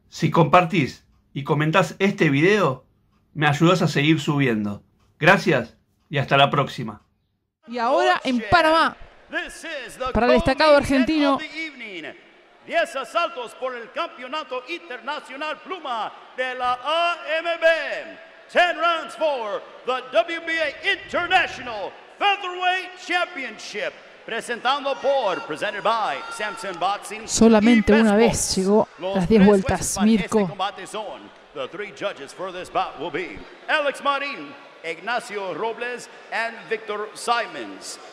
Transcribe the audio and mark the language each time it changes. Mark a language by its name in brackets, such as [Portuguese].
[Spanish] Si compartís y comentás este video, me ayudás a seguir subiendo. Gracias. Y hasta la próxima. Y ahora en Panamá, para el destacado argentino, 10 asaltos por el campeonato internacional pluma de la AMB. [English] 10 rounds for the WBA International Featherweight Championship. [Spanish] Presentando por, [English] presented by [Spanish] Samson Boxing. Solamente una vez llegó las 10 vueltas, Mirko. [English] The three judges for this bout will be Alex Marin, Ignacio Robles and Victor Simons.